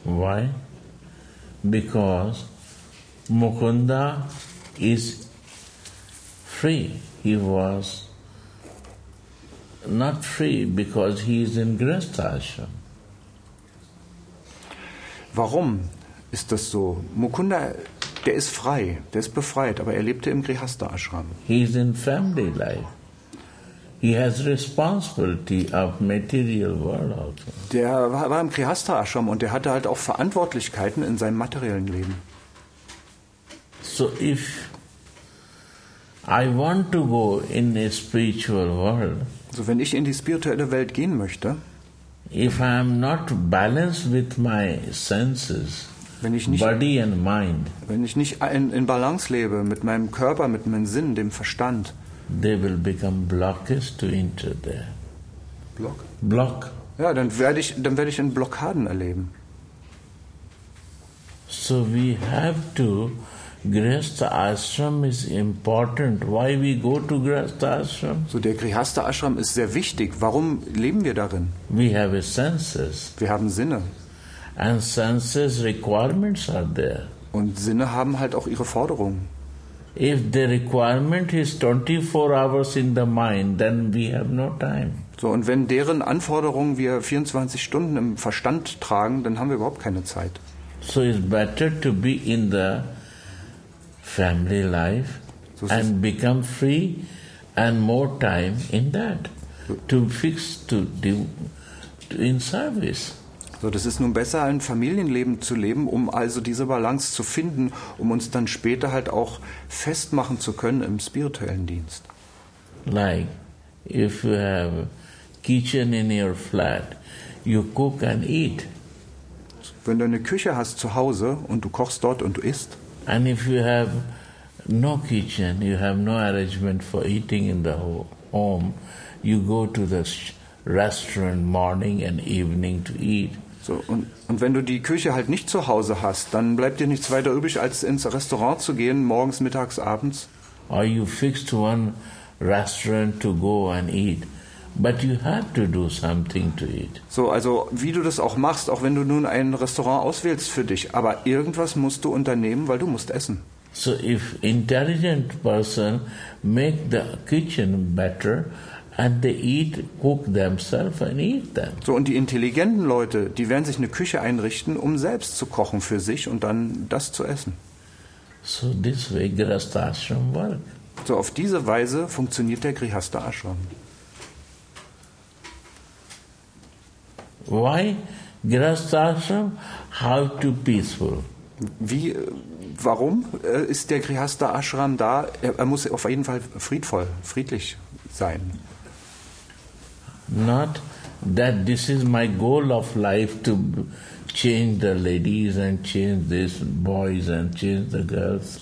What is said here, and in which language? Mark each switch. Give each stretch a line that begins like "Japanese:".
English: Why? Because Mukunda is free. He was not free because he is in Grihastashram.
German: Warum ist das so? Mukunda, der ist frei, der ist befreit, aber er lebte im Grihastha-Ashram.
English: He is in family life. He has responsibility of material world also.
German: Der war im Grihastha-Ashram und der hatte halt auch Verantwortlichkeiten in seinem materiellen Leben.
English: So if I want to go in a spiritual world,
German: so wenn ich in die spirituelle Welt gehen möchte,
English: if I am not balanced with my senses, body and mind,
German: wenn ich nicht in Balance lebe mit meinem Körper, mit meinem Sinn, dem Verstand,
English: they will become blockers to enter there.
German: Block. Ja, dann werde ich in Blockaden erleben.
English: So we have to. Grihastha Ashram is important. Why we go to Grihastha Ashram?
German: So der Grihastha Ashram ist sehr wichtig. Warum leben wir darin?
English: We have senses.
German: Wir haben Sinne.
English: And senses requirements are there.
German: Und Sinne haben halt auch ihre Forderungen.
English: If the requirement is 24 hours in the mind, then we have no time.
German: So, und wenn deren Anforderungen wir 24 Stunden im Verstand tragen, dann haben wir überhaupt keine Zeit.
English: So it's better to be in the family life and become free and more time in that to fix to do in service.
German: So, das ist nun besser, ein Familienleben zu leben, um also diese Balance zu finden, um uns dann später halt auch festmachen zu können im spirituellen Dienst.
English: Like if you have kitchen in your flat, you cook and eat.
German: Wenn du eine Küche hast zu Hause und du kochst dort und du isst.
English: And if you have no kitchen, you have no arrangement for eating in the home, you go to the restaurant morning and evening to eat.
German: So, und wenn du die Küche halt nicht zu Hause hast, dann bleibt dir nichts weiter übrig, als ins Restaurant zu gehen, morgens, mittags, abends.
English: Or you fix to one restaurant to go and eat. But you have to do something to eat.
German: So, also wie du das auch machst, auch wenn du nun ein Restaurant auswählst für dich, aber irgendwas musst du unternehmen, weil du musst essen.
English: So if intelligent person make the kitchen better and they eat, cook themselves and eat them.
German: So und die intelligenten Leute, die werden sich eine Küche einrichten, um selbst zu kochen für sich und dann das zu essen.
English: So this way Grihastha Ashram works.
German: So auf diese Weise funktioniert der Grihastha Ashram.
English: Why Grihastha Ashram how to peaceful?
German: Wie, warum ist der Grihastha Ashram da? Er muss auf jeden Fall friedvoll, friedlich sein.
English: Not that this is my goal of life to change the ladies and change these boys and change the girls.